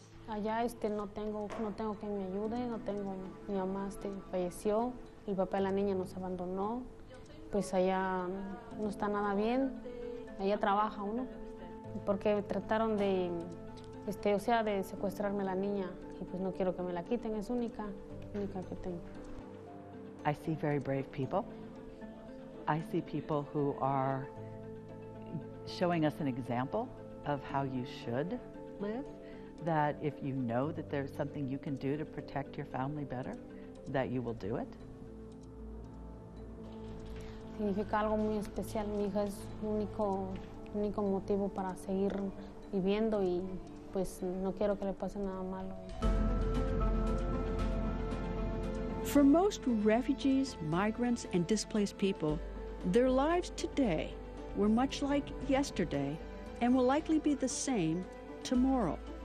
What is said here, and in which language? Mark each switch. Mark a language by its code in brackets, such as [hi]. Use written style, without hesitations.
[es] Allá no tengo quien me ayude, no tengo mi mamá falleció, el papá de la niña nos abandonó, pues allá no está nada bien, allá trabaja uno, porque trataron de de secuestrarme la niña y pues no quiero que me la quiten, es única que tengo. [en] I see very brave people. I see people who are showing us an example of how you should live. That if you know that there's something you can do to protect your family better, that you will do it. [es] Significa algo muy especial. Mi hija es único motivo para seguir viviendo y pues no quiero que le pase nada malo. [en] For most refugees, migrants, and displaced people, their lives today were much like yesterday and will likely be the same tomorrow.